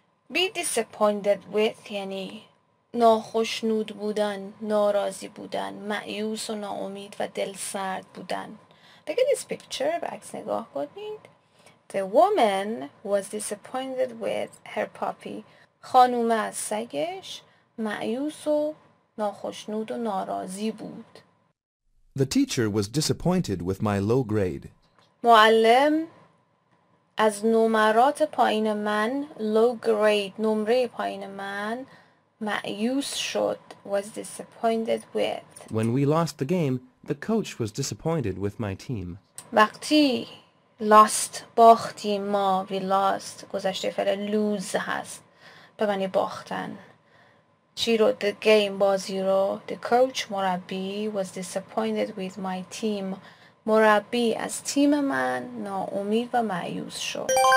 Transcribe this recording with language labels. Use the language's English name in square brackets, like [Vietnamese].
[English] Be disappointed with [Persian] یعنی ناخشنود بودن، ناراضی بودن، مایوس و ناامید و دل سرد بودن. [English] Look at this picture. [Persian] باکس نگاه کنید. [English] The woman was disappointed with her puppy. [Persian] خانوم از سگش مایوس و ناخشنود و ناراضی بود. [English] The teacher was disappointed with my low grade. [Persian] معلم از نمرات پایین من [English] low grade [Persian] نمره پایین من مایوس شد [English] was disappointed with. When we lost the game, the coach was disappointed with my team. [Persian] وقتی lost باختیم ما [English] we lost [Persian] گذشته فعل lose هست به معنی باختن. چی رو [English] the game [Persian] بازی رو [English] the coach مربی was disappointed with my team. [Persian] مربی از تیم من ناامید و مایوس شد.